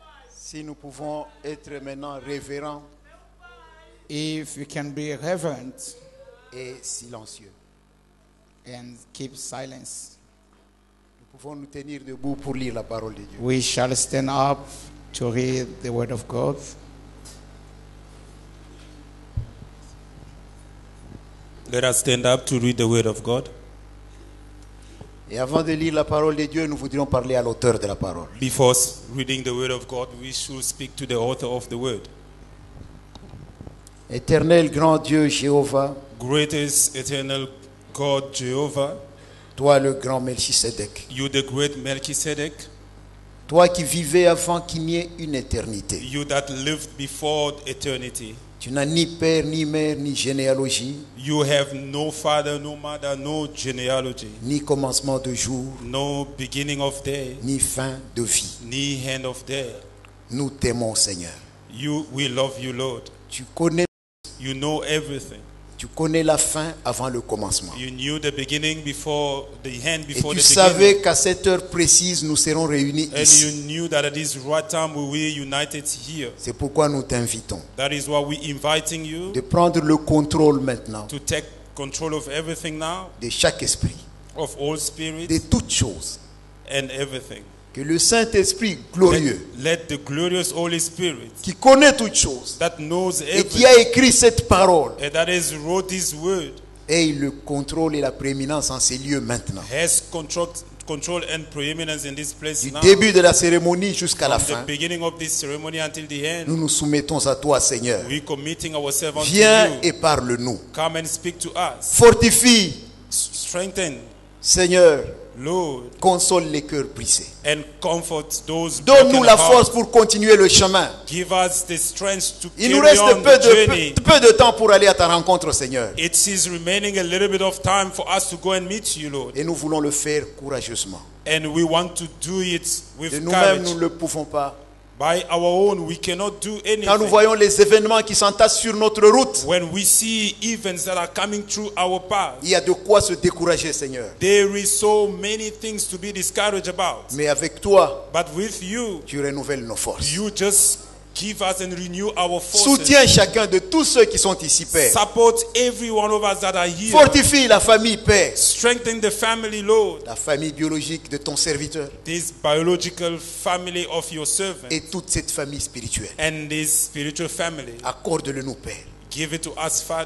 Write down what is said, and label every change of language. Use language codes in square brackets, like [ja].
[fr] Si nous pouvons être maintenant révérents, [en] if we can be reverent [fr] et silencieux [en] and keep silence. [fr] Nous pouvons nous tenir debout pour lire la parole de Dieu. [en] We shall stand up to read the word of God. Let us stand up to read the word of God. [fr] Et avant de lire la parole de Dieu, nous voudrions parler à l'auteur de la parole. [en] Before reading the word of God, we should speak to the author of the word. [fr] Éternel grand Dieu Jéhovah, [en] greatest eternal God Jehovah, [fr] toi le grand Melchisedec, [en] you the great Melchisedec, [fr] toi qui vivais avant qu'il n'y ait une éternité. [en] You that lived before eternity. [fr] Tu n'as ni père, ni mère, ni généalogie. [en] You have no father, no mother, no genealogy. [fr] Ni commencement de jour. [en] No beginning of day. [fr] Ni fin de vie. Ni [en] end of day. [fr] Nous t'aimons, Seigneur. [en] You, we love you, Lord. [fr] Tu connais. [en] You know everything. [fr] Tu connais la fin avant le commencement. [en] You knew the beginning before the end before the [fr] Et tu savais qu'à cette heure précise nous serons réunis [en] and [fr] ici. [en] And you knew that at this right time we will be united here. [fr] C'est pourquoi nous t'invitons. [en] That is why we're inviting you. [fr] De prendre le contrôle maintenant. [en] To take control of everything now. [fr] De chaque esprit. [en] Of all spirits. [fr] De toutes choses. [en] And everything. [fr] Que le Saint-Esprit glorieux, [en] let the glorious Holy Spirit, [fr] qui connaît toutes choses, [en] that knows everything, [fr] et qui a écrit cette parole, [en] and that has wrote this word, [fr] ait le contrôle et la prééminence en ces lieux maintenant. [en] Has control and preeminence in this place [fr] du [en] now, [fr] début de la cérémonie jusqu'à la fin, [en] the beginning of this ceremony until the end, [fr] nous nous soumettons à toi, Seigneur. [en] We committing ourselves unto [fr] viens [en] you. [fr] Et parle-nous. [en] Come and speak to us. [fr] Fortifie. [en] Strengthen. [fr] Seigneur. [en] Lord, [fr] console les cœurs brisés. [en] And comfort those broken hearts. [fr] Donne-nous la force pour continuer le chemin. [en] Give us the strength to carry on. [fr] Il nous reste peu de temps pour aller à ta rencontre, Seigneur. [en] It is remaining a little bit of time for us to go and meet you, Lord. [fr] Et nous voulons le faire courageusement. [en] And we want to do it with courage. [fr] De nous-mêmes, nous ne le pouvons pas. [en] By our own, we cannot do anything. [fr] Quand nous voyons les événements qui s'entassent sur notre route, [en] when we see events that are coming through our path, [fr] il y a de quoi se décourager, Seigneur. [en] There is so many things to be discouraged about. [fr] Mais avec toi, [en] but with you, [fr] tu renouvelles nos forces. [en] You just give us and renew our forces. [fr] Soutiens chacun de tous ceux qui sont ici, Père. [en] Support every one of us that are here. [fr] Fortifie la famille, Père. [en] Strengthen the family, Lord. [fr] La famille biologique de ton serviteur. [en] This biological family of your servant. [fr] Et toute cette famille spirituelle. [en] And this spiritual family. [fr] Accorde-le-nous, Père. [en] Give it to us, Father.